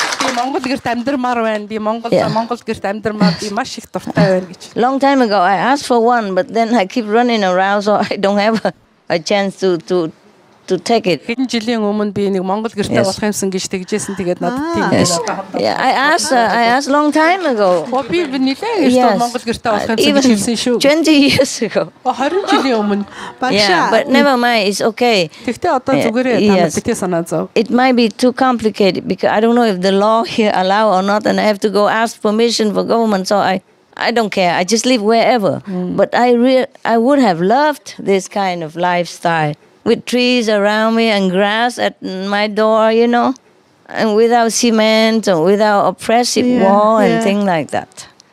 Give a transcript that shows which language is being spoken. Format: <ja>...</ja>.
<mn>Монгол гэрт амьдрмаар байна. Би Монгол гэрт амьдрмаар би маш их дуртай байна гэж.</mn> <en>Long time ago I asked for one, but then I keep running around so I don't have a chance to take it.</en> <mn>Хэдэн жилийн өмнө би нэг Монгол гэртэй болох юмсан гэж тэгжсэн. Тэгээд надад тийм байсан.</mn> <en>I asked long time ago.</en> <mn>Би нэлээд их Монгол гэртэй болох юмсан гэж хэлсэн шүү.</mn> <en>20 years ago.</en> <mn>20 жилийн өмнө.</mn> <en>Багшаа. But never mind, it's okay.</en> <mn>Тэгтээ одоо зүгээрээ танд битээ санаа зов.</mn> <en>It might be too complicated because I don't know if the law here allow or not, and I have to go ask permission for government, so I don't care. I just live wherever. But I would have loved this kind of lifestyle. With trees around me and grass at my door, you know, and without cement or without oppressive wall and things like that.</en>